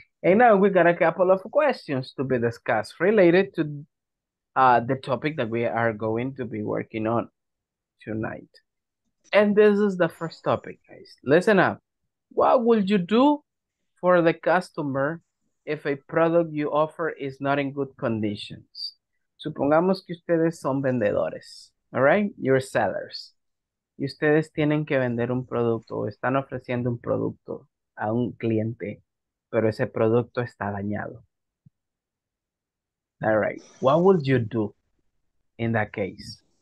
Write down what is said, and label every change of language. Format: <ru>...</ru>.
<en>And now we got a couple of questions to be discussed related to the topic that we are going to be working on tonight. And this is the first topic, guys. Listen up. What would you do for the customer if a product you offer is not in good conditions?</en> <es>Supongamos que ustedes son vendedores, all right?</es> <en>You're sellers.</en> <es>Y ustedes tienen que vender un producto o están ofreciendo un producto a un cliente, pero ese producto está dañado.</es> <en>All right, what would you do in that case?</en>